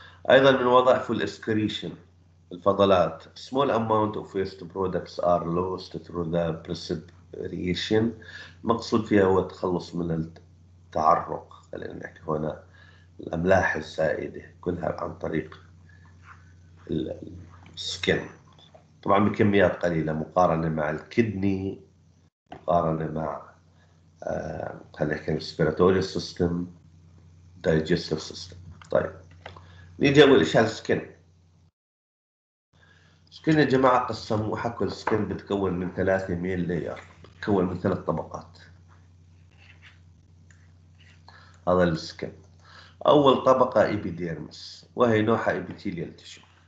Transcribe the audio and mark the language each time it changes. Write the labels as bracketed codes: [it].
[ar] ايضا من وظائف الاسكريشن الفضلات، [en] small amount of waste products are lost through the precipitation، [ar] مقصود فيها هو التخلص من التعرق. خلينا نحكي هنا الاملاح الزائده كلها عن طريق السكن، طبعا بكميات قليله مقارنه مع الكدني، مقارنه مع خلينا نحكي [en] respiratory system, digestive system. [ar] طيب نيجي أول إشي على السكن. السكن يا جماعة قسم وحكوا السكن بتكون من 300 لاير, بتكون من 3 طبقات. هذا السكن. أول طبقة إبيديرمس وهي نوعها إبيتيليال تشو.